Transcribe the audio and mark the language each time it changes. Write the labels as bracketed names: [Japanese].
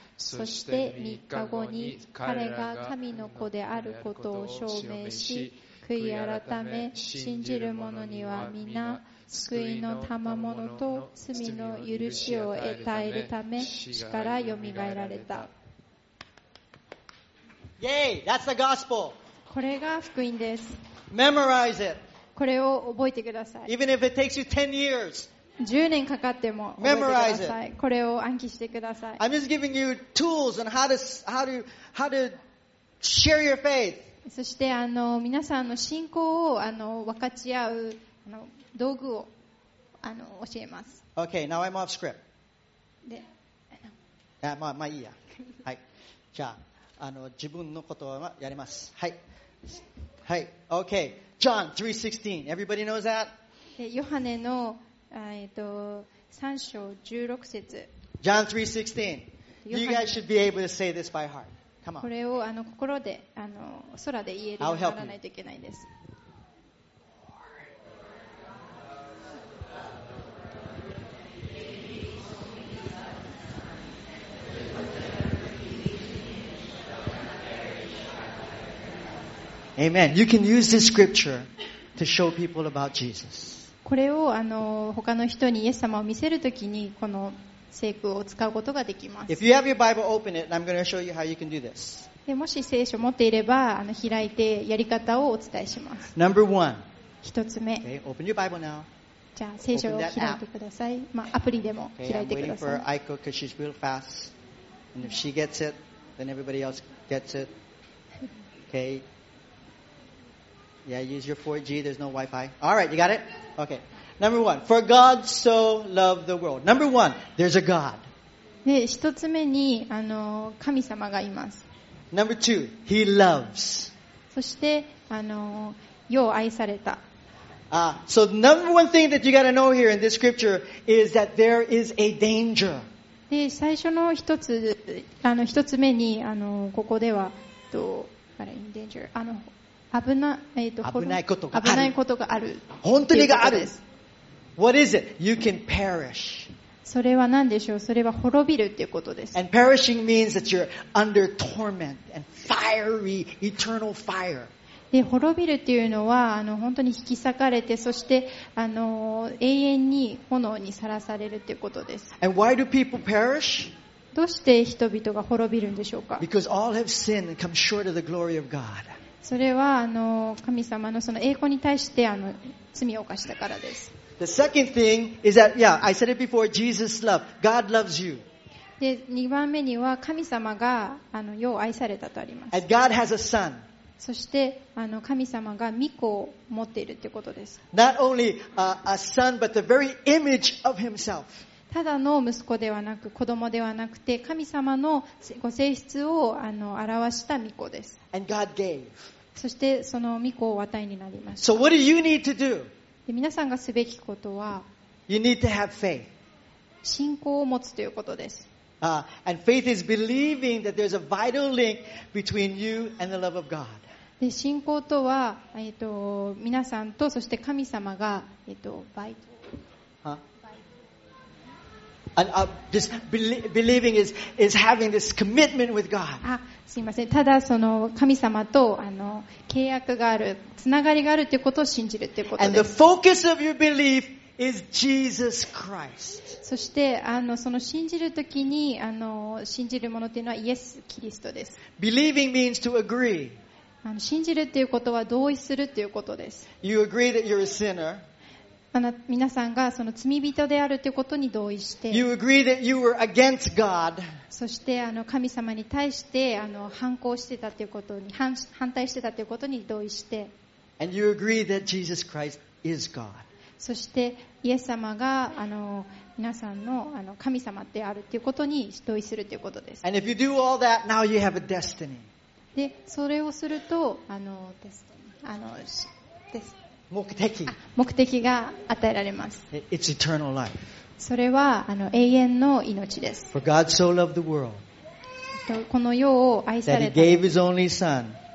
[Japanese] そして3日後に彼が神の子であることを証明し、悔い改め信じる者には皆救いの賜物と罪の許しを与えるため死から蘇られた。 [English] Yay! That's the gospel! [Japanese] これが福音です。 [English] Memorize it! [Japanese] これを覚えてください。 [English] Even if it takes you 10 years! [Japanese] 10年かかっても覚えてください。これを暗記してください。 [English] I'm just giving you tools on how to share your faith. [Japanese] そして皆さんの信仰を分かち合う道具を教えます。 [English] Okay, now I'm off script. [Japanese] で、まあいいや。はい。じゃあ自分のことはやります。はい。はい。 [English] Okay, John 3:16. Everybody knows that? [Japanese] で、ヨハネの3章16節 [English] John 3:16 You guys should be able to say this by heart. Come on. [Japanese] これを心で空で言えるようにならないといけないんです。 [English] Amen. You can use this scripture to show people about Jesus. [Japanese] これを他の人にイエス様を見せるときにこの聖句を使うことができます。 [English] Open it, I'm going to show you how you can do this. [Japanese] でもし聖書を持っていれば開いてやり方をお伝えします。 [English] Number one. [Japanese] 一つ目。 [English] Okay, open your Bible now. [Japanese] じゃあ聖書を開いてください。まあアプリでも開いてください。 [English] Okay, I'm waiting for Aiko because she's real fast. And if she gets it, then everybody else gets it. Okay. Yeah, use your 4G. There's no Wi-Fi. All right, you got it? Okay. Number one. For God so loved the world. Number one. There's a God. [Japanese] で、一つ目に、神様がいます。 [English] Number two. He loves. [Japanese] そして、よう愛された。 [English] So the number one thing that you got to know here in this scripture is that there is a danger. [Japanese] で、最初の一つ目に、ここでは、 [English] in danger. [Japanese] 危ないことがある。本当にがある。 [English] What is it? You can perish. [Japanese] それは何でしょう？それは滅びるっていうことです。 [English] And perishing means that you're under torment and fiery eternal fire. [Japanese] で、滅びるっていうのは本当に引き裂かれて、そして永遠に炎にさらされるっていうことです。 [English] And why do people perish? [Japanese] どうして人々が滅びるんでしょうか？ [English] Because all have sinned and come short of the glory of God. [Japanese] それは神様のその栄光に対して罪を犯したからです。 [English] The second thing is that, yeah, I said it before, Jesus loved. God loves you. [Japanese] で、2番目には神様がよう愛されたとあります。 [English] And God has a son. [Japanese] そして神様が御子を持っているということです。 [English] Not only a son, but the very image of himself. [Japanese] ただの息子ではなく子供ではなくて神様のご性質を表した御子です。 [English] And God gave. [Japanese] そしてその御子を与えになりました。 [English] So what do you need to do? [Japanese] で、皆さんがすべきことは [English] You need to have faith. [Japanese] 信仰を持つということです。 [English] And faith is believing that there's a vital link between you and the love of God. [Japanese] で、信仰とは、皆さんと、そして神様が、vital. [English] And, just believing is having this commitment with God. [Japanese] あ、すいません。ただ、その、神様と、契約がある、つながりがあるということを信じるということです。 [English] And the focus of your belief is Jesus Christ. [Japanese] そしてその信じるときに信じるものというのはイエス・キリストです。 [English] Believing means to agree. [Japanese] 信じるということは同意するということです。 [English] You agree that you're a sinner. [Japanese] 皆さんがその罪人であるということに同意して。 [English] You agree that you were against God. [Japanese] そして神様に対して反抗してたということに反対してたということに同意して。 [English] And you agree that Jesus Christ is God. [Japanese] そしてイエス様が皆さん の, 神様であるということに同意するということです。 [English] And if you do all that, now you have a destiny. [Japanese] で、それをするとです目的が与えられます。 [English] It's eternal life. [Japanese] それは永遠の命です。 [English] For God so loved the world, [Japanese] この世を愛された。 [English] That he gave his only son.